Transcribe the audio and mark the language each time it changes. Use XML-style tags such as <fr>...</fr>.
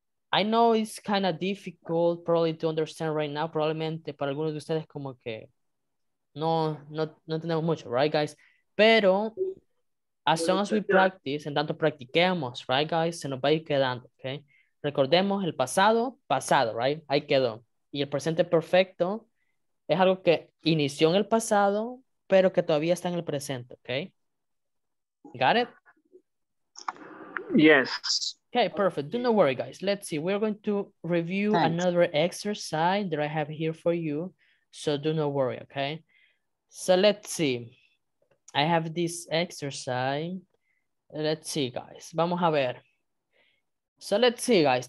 <en>I know it's kind of difficult probably to understand right now.</en> <es>Probablemente para algunos de ustedes como que no tenemos mucho, right, guys?</es> <en>Pero as long as we practice,</en> <es>en tanto practiquemos,</es> <en>right, guys?</en> <es>Se nos va a ir quedando, ok? Recordemos el pasado, pasado, right? Ahí quedó. Y el presente perfecto, es algo que inició en el pasado, pero que todavía está en el presente, ¿ok?</es> <en>Got it? Yes. Okay, perfect. Do not worry, guys. Let's see. We're going to review another exercise that I have here for you. So do not worry, okay? So let's see. I have this exercise. Let's see, guys.</en> <es>Vamos a ver.</es> <en>So let's see, guys.</en>